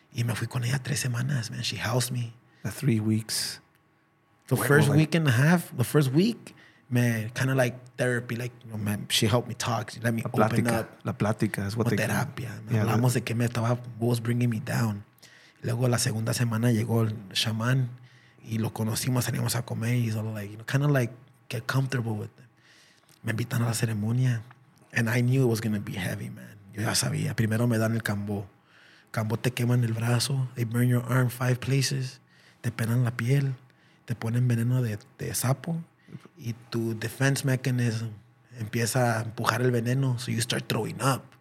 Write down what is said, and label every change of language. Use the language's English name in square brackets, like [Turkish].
[Spanish] Y me fui con ella 3 semanas, man. [English] She housed me. The 3 weeks. The first week and a half, the first week, man, kind of like therapy. Like, you know, man, she helped me talk. She let me open up. [Spanish] La plática es [English] what they terapia. Call it. [Spanish] Hablamos de que me estaba, [English] what was bringing me down. [Spanish] Luego, la segunda semana, llegó el shaman y lo conocimos, salimos a comer. [English] He's all like, you know, kind of like get comfortable with them. [Spanish] Me invitan a la ceremonia. [English] And I knew it was going to be heavy, man. [Spanish] Yo ya sabía. Primero me dan el cambo. Cambo te queman el brazo. [English] They burn your arm 5 places. [Spanish] Te pelan la piel. Te ponen veneno de sapo y tu defense mechanism empieza a empujar el veneno, [English] so you start throwing up.